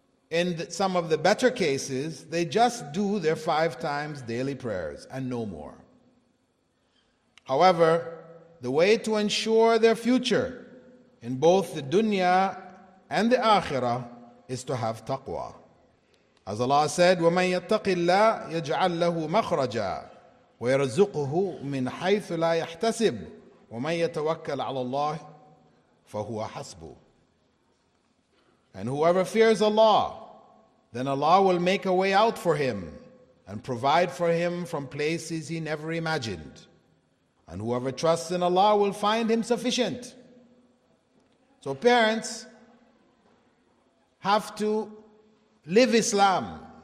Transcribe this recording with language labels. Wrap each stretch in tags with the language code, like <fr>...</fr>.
<en>In some of the better cases, they just do their 5 times daily prayers and no more. However, the way to ensure their future in both the dunya and the akhirah is to have taqwa. As Allah said,</en> <ar>وَمَنْ يَتَّقِ اللَّهِ يَجْعَلْ لَهُ مَخْرَجًا وَيَرْزُقُهُ مِنْ حَيْثُ لَا يَحْتَسِبُ وَمَنْ يَتَوَكَّلْ عَلَى اللَّهِ فَهُوَ حَسْبُهُ.</ar> <en>And whoever fears Allah, then Allah will make a way out for him and provide for him from places he never imagined. And whoever trusts in Allah will find him sufficient. So parents have to live Islam.</en>